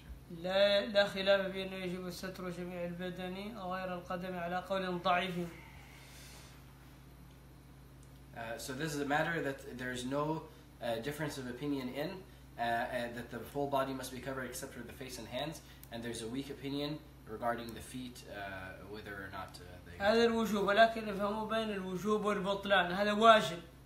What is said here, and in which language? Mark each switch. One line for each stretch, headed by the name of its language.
Arabic: لا خلاف فيه أنه يجب الستر جميع البدن غير القدم على قول ضعيف.
English: So this is a matter that there is no difference of opinion in that the full body must be covered except for the face and hands, and there's a weak opinion regarding the feet whether or not
Arabic: هذا الوجوب ولكن افهموا بين الوجوب والبطلان هذا واجب.